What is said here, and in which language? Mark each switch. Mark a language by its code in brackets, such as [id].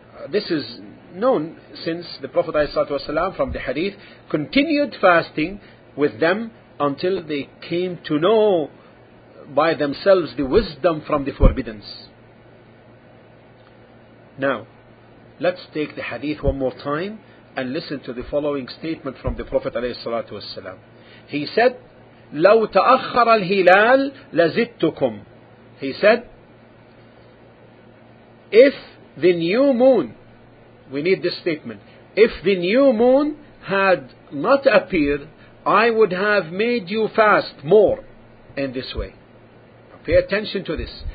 [en] This is known since the Prophet ﷺ from the hadith continued fasting with them until they came to know by themselves the wisdom from the forbiddance. Now, let's take the hadith one more time and listen to the following statement from the Prophet ﷺ. He said, [ar] لو تأخر الهلال لزدتكم. [en] He said, if the new moon, we need this statement, if the new moon had not appeared, I would have made you fast more in this way. Pay attention to this.